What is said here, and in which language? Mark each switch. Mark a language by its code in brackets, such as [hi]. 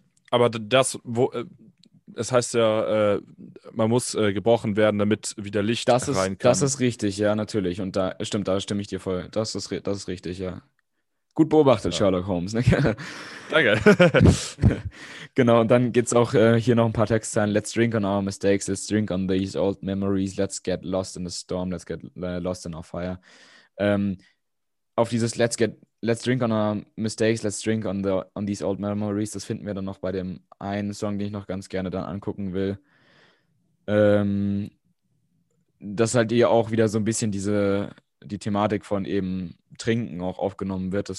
[de] Aber das, wo es heißt ja, man muss gebrochen werden, damit wieder Licht rein kann. Das ist richtig, ja, natürlich. Und da stimmt, da stimme ich dir voll. Das ist richtig, ja. Gut beobachtet, ja. Sherlock Holmes. Ne? Danke. Genau, und dann gibt es auch hier noch ein paar Textzeilen. [en] Let's drink on our mistakes, let's drink on these old memories, let's get lost in the storm, let's get lost in our fire. [de] Auf dieses [en] let's drink on our mistakes, let's drink on the on these old memories, [de] das finden wir dann noch bei dem einen Song, den ich noch ganz gerne dann angucken will. Dass halt ihr auch wieder so ein bisschen die Thematik von eben Trinken auch aufgenommen wird.